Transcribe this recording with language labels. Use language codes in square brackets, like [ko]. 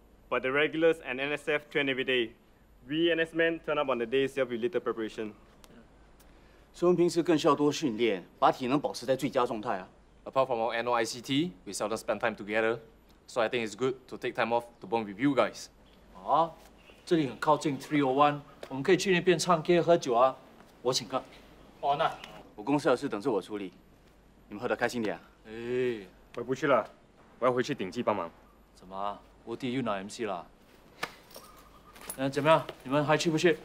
[en] But the regulars and NSF train every day. We NS men turn up on the days of little preparation. [zh] 所以我们平时更需要多训练，把体能保持在最佳状态啊。 [en] Apart from our annual ICT, we seldom spend time together. So I think it's good to take time off to bond with you guys. [zh] 啊，这里很靠近 301。我们可以去那边唱歌喝酒啊，我请客。好呢，我公司有事等着我处理，你们喝得开心点啊。哎，我不去了，我要回去顶级帮忙。怎么，我弟又拿 MC 了？嗯，怎么样？你们还去不去？